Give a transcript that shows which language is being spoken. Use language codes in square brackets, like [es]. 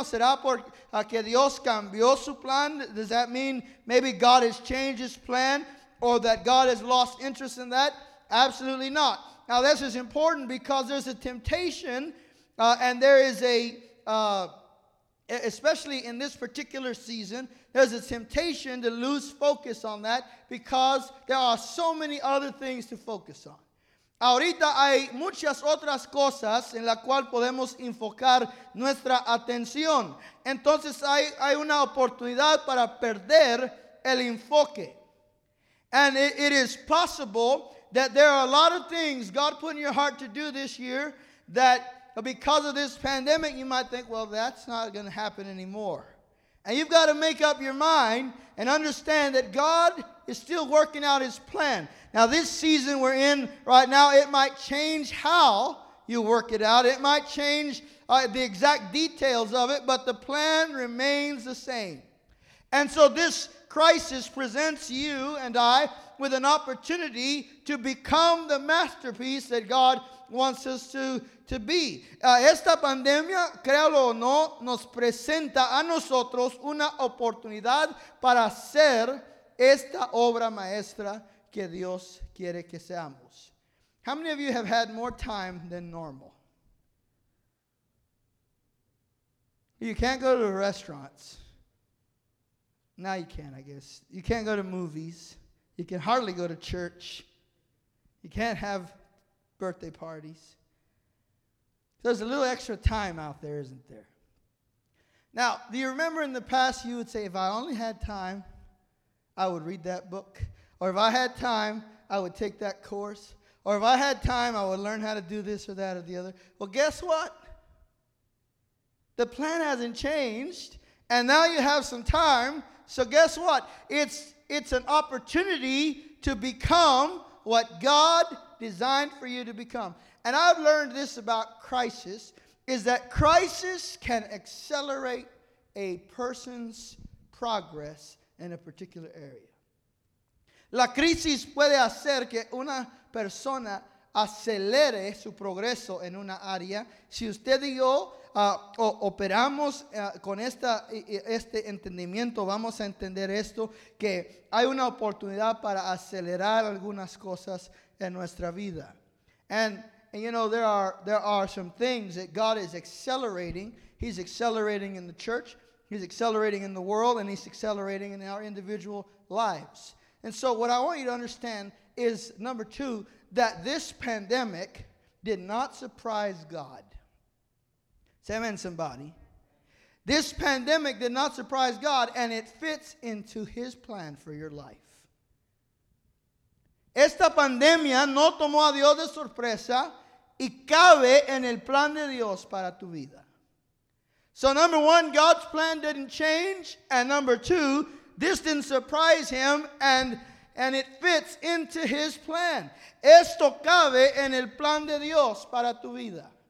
[es] ¿O será que Dios cambió su plan? [en] Does that mean maybe God has changed his plan or that God has lost interest in that? Absolutely not. Now, this is important because there's a temptation and there is a, especially in this particular season, there's a temptation to lose focus on that because there are so many other things to focus on. [es] Ahorita hay muchas otras cosas en las cuales podemos enfocar nuestra atención. Entonces hay una oportunidad para perder el enfoque. [en] And it is possible that there are a lot of things God put in your heart to do this year that because of this pandemic you might think, well, that's not going to happen anymore. And you've got to make up your mind and understand that God is still working out his plan. Now, this season we're in right now, it might change how you work it out. It might change the exact details of it, but the plan remains the same. And so this crisis presents you and I with an opportunity to become the masterpiece that God wants us to be. [es] Esta pandemia, créalo o no, nos presenta a nosotros una oportunidad para hacer esta obra maestra que Dios quiere que seamos. [en] How many of you have had more time than normal? You can't go to restaurants. Now you can, I guess. You can't go to movies. You can hardly go to church. You can't have birthday parties. There's a little extra time out there, isn't there? Now, do you remember in the past you would say, if I only had time, I would read that book. Or if I had time, I would take that course. Or if I had time, I would learn how to do this or that or the other. Well, guess what? The plan hasn't changed. And now you have some time. So guess what? It's an opportunity to become what God designed for you to become. And I've learned this about crisis, is that crisis can accelerate a person's progress in a particular area. [es] La crisis puede hacer que una persona acelere su progreso en una área. Si usted y yo operamos con este entendimiento, vamos a entender esto, que hay una oportunidad para acelerar algunas cosas en nuestra vida. [en] And you know, there are some things that God is accelerating. He's accelerating in the church, he's accelerating in the world, and he's accelerating in our individual lives. And so what I want you to understand is, number two, that this pandemic did not surprise God. Say amen, somebody. This pandemic did not surprise God, and it fits into his plan for your life. [es] Esta pandemia no tomó a Dios de sorpresa, y cabe en el plan de Dios para tu vida. [en] So number one, God's plan didn't change, and number two, this didn't surprise him, and it fits into his plan. [es] Esto cabe en el plan de Dios para tu vida.